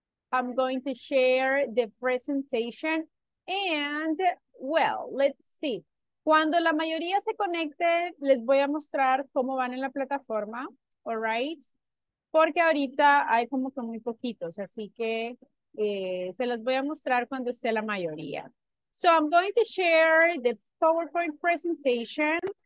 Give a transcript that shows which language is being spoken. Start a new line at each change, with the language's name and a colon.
English: I'm going to share the presentation and, well, let's see.
Spanish: Cuando la mayoría se conecte, les voy a mostrar cómo van en la plataforma,
English: all right?
Spanish: Porque ahorita hay como que muy poquitos, así que se los voy a mostrar cuando esté la mayoría.
English: So I'm going to share the PowerPoint presentation.